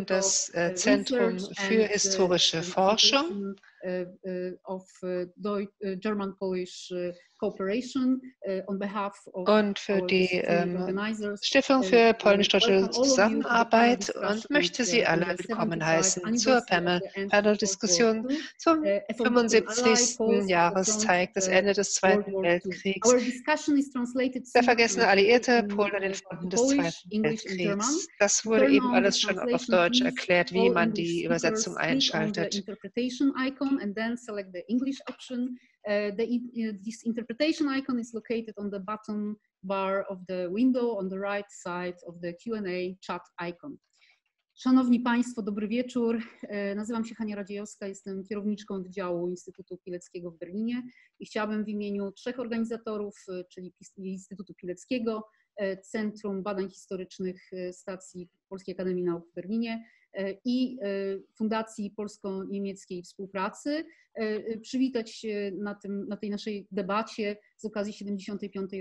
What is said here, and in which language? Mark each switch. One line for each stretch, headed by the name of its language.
German: und das Zentrum für historische Forschung und für die Stiftung für polnisch-deutsche Zusammenarbeit und möchte Sie alle willkommen heißen zur Panel-Diskussion zum 75. Jahrestag des Ende des Zweiten Weltkriegs. Der vergessene Alliierte Polen an den Fronten des Zweiten Weltkriegs. Das wurde eben alles schon auf Deutsch erklärt, wie man die Übersetzung einschaltet.
English: Then select the English option. This interpretation icon is located on the bottom bar of the window on the right side of the Q&A chat icon.
Polish: Szanowni Państwo, dobry wieczór. Nazywam się Hania Radziejowska, jestem kierowniczką oddziału Instytutu Pileckiego w Berlinie i chciałabym w imieniu trzech organizatorów, czyli Instytutu Pileckiego, Centrum Badań Historycznych Stacji Polskiej Akademii Nauk w Berlinie i Fundacji Polsko-Niemieckiej Współpracy przywitać się na tej naszej debacie z okazji 75.